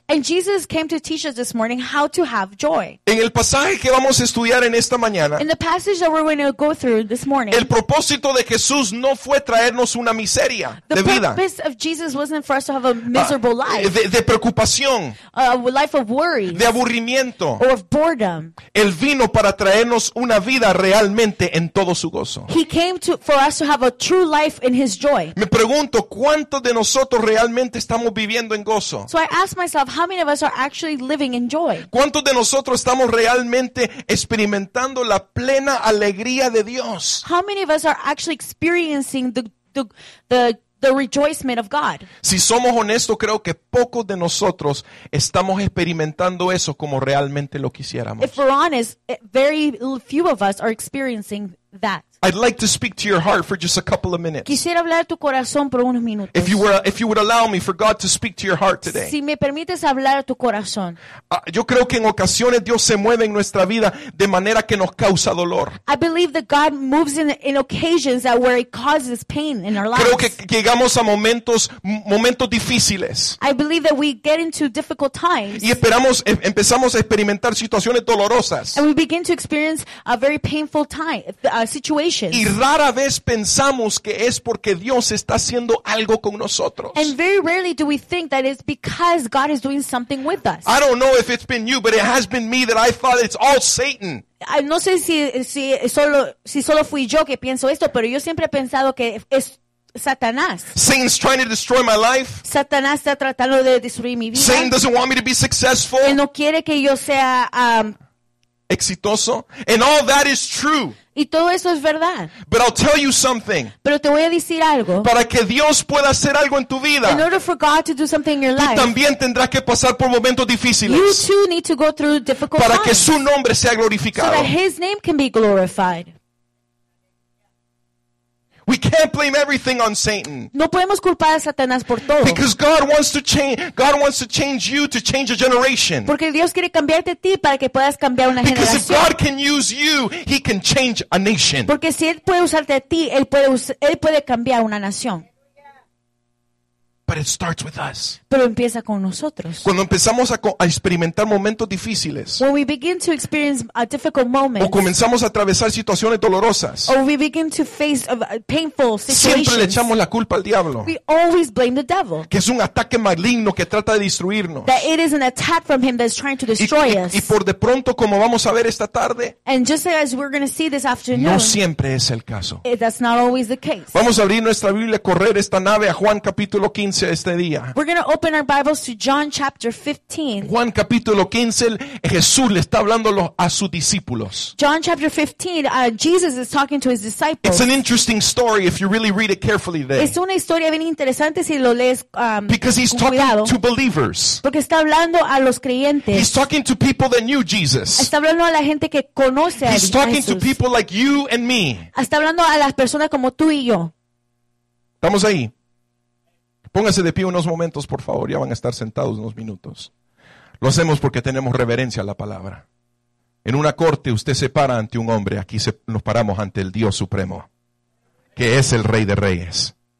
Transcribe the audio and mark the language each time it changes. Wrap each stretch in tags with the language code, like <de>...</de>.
<en>And Jesus came to teach us this morning how to have joy.</en> <es>En el pasaje que vamos a estudiar en esta mañana.</es> <en>In the passage that we're going to go through this morning.</en> <es>El propósito de Jesús no fue traernos una miseria de vida.</es> <en>The purpose of Jesus wasn't for us to have a miserable life.</en> <es>De preocupación.</es> <en>A life of worry.</en> <es>De aburrimiento.</es> <en>Or of boredom.</en> <es>Él vino para traernos una vida realmente en todo su gozo.</es> <en>He came for us to have a true life in his joy.</en> <es>Me pregunto cuántos de nosotros realmente estamos viviendo en gozo.</es> <en>So I ask myself, how many of us are actually living in joy?</en> <es>¿Cuántos de nosotros estamos realmente experimentando la plena alegría de Dios?</es> <en>How many of us are actually experiencing the rejoicement of God?</en> <es>Si somos honestos, creo que pocos de nosotros estamos experimentando eso como realmente lo quisiéramos.</es> <en>If we're honest, very few of us are experiencing that. I'd like to speak to your heart for just a couple of minutes.</en> <es>Quisiera hablar a tu corazón por unos minutos.</es> <en>If you would allow me for God to speak to your heart today.</en> <es>Si me permites hablar a tu corazón. Yo creo que en ocasiones Dios se mueve en nuestra vida de manera que nos causa dolor.</es> <en>I believe that God moves in occasions that where it causes pain in our lives.</en> <es>Creo que llegamos a momentos difíciles.</es> <en>I believe that we get into difficult times.</en> <es>Y empezamos a experimentar situaciones dolorosas.</es> <en>And we begin to experience a very painful time.</en> <es>Y rara vez pensamos que es porque Dios está haciendo algo con nosotros.</es> <en>And very rarely do we think that it's because God is doing something with us. I don't know if it's been you, but it has been me that I thought it's all Satan.</en> <es>No sé si solo fui yo que pienso esto, pero yo siempre he pensado que es Satanás.</es> <en>Satan's trying to destroy my life.</en> <es>Satanás está tratando de destruir mi vida.</es> <en>Satan doesn't want me to be successful.</en> <es>Él no quiere que yo sea exitoso.</es> <en>And all that is true.</en> <es>Y todo eso es verdad.</es> <en>But I'll tell you something.</en> <es>Pero te voy a decir algo. Para que Dios pueda hacer algo en tu vida.</es> <en>In order for God to do something in your life.</en> <es>Tú también tendrás que pasar por momentos difíciles.</es> <en>You too need to go through difficult</en> <es>para Para que su nombre sea glorificado.</es> <en>So that his name can be glorified. We can't blame everything on Satan.</en> <es>No podemos culpar a Satanás por todo.</es> <en>Because God wants to change you to change a generation.</en> <es>Porque Dios quiere cambiarte a ti para que puedas cambiar una</es> <en>because</en> <es>generación.</es> <en>Because if God can use you, he can change a nation.</en> <es>Porque si él puede usarte a ti, él puede cambiar una nación.</es> <en>But it starts with us.</en> <es>Pero empieza con nosotros. Cuando empezamos a experimentar momentos difíciles.</es> <en>When we begin to experience a difficult moment.</en> <es>O comenzamos a atravesar situaciones dolorosas.</es> <en>Or we begin to face painful situations.</en> <es>Siempre le echamos la culpa al diablo.</es> <en>We always blame the devil.</en> <es>Que es un ataque maligno que trata de destruirnos.</es> <en>That it is an attack from him that is trying to destroy us.</en> <es>Y por de pronto, como vamos a ver esta tarde.</es> <en>And just as we're going to see this afternoon.</en> <es>No siempre es el caso.</es> <en>That's not always the case.</en> <es>Vamos a abrir nuestra Biblia, correr esta nave a Juan capítulo 15.</es> <en>We're going to open our Bibles to John chapter 15.</en> <es>Juan capítulo 15, Jesús le está hablando a sus discípulos.</es> <en>John chapter 15, Jesus is talking to his disciples. It's an interesting story if you really read it carefully there.</en> <es>Es una historia bien interesante si lo lees</es> <en>because he's</en> <es>con cuidado.</es> <en>Talking to believers.</en> <es>Porque está hablando a los creyentes.</es> <en>He's talking to people that knew Jesus.</en> <es>Está hablando a la gente que conoce a Jesús.</es> <en>He's talking to people like you and me.</en> <es>Está hablando a las personas como tú y yo. Estamos ahí. Póngase de pie unos momentos, por favor. Ya van a estar sentados unos minutos. Lo hacemos porque tenemos reverencia a la palabra. En una corte usted se para ante un hombre. Aquí nos paramos ante el Dios Supremo, que es el Rey de Reyes.</es>